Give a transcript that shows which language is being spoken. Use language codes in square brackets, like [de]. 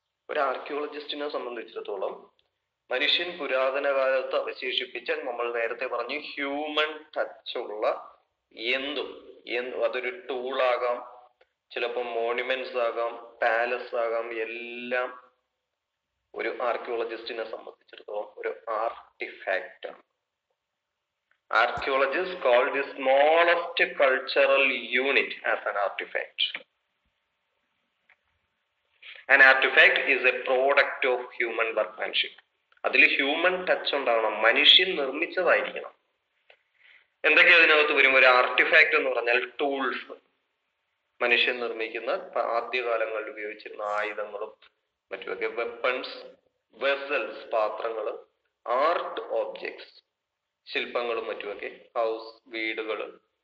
[ml] ഒരു ആർക്കിയോളജിസ്റ്റിനെ സംബന്ധിച്ചിടത്തോളം മനുഷ്യൻ പുരാതന കാലത്ത് അവശേഷിപ്പിച്ച, നമ്മൾ നേരത്തെ പറഞ്ഞു, ഹ്യൂമൻ ടച്ച് ഉള്ള എന്തും, അതൊരു ടൂളാകാം, ചിലപ്പോൾ മോണുമെന്റ്സ് ആകാം, പാലസ് ആകാം, എല്ലാം ഒരു ആർക്കിയോളജിസ്റ്റിനെ സംബന്ധിച്ചിടത്തോളം ഒരു ആർട്ടിഫാക്ട് ആണ്. [en] Archaeologists call the smallest cultural unit as an artifact. An artifact is a product of human workmanship. [ml] അതില് ഹ്യൂമൻ ടച്ച് ഉണ്ടാവണം, മനുഷ്യൻ നിർമ്മിച്ചതായിരിക്കണം. എന്തൊക്കെ അതിനകത്ത് വരും? ഒരു ആർട്ടിഫാക്ട് എന്ന് പറഞ്ഞാൽ ടൂൾസ്, മനുഷ്യൻ നിർമ്മിക്കുന്ന ആദ്യകാലങ്ങളിൽ ഉപയോഗിച്ചിരുന്ന ആയുധങ്ങളും മറ്റുമൊക്കെ, വെപ്പൺസ്, വെസൽസ്, പാത്രങ്ങൾ, ആർട്ട് ഒബ്ജക്ട്സ്, ശില്പങ്ങളും മറ്റുമൊക്കെ, ഹൗസ്, വീടുകൾ,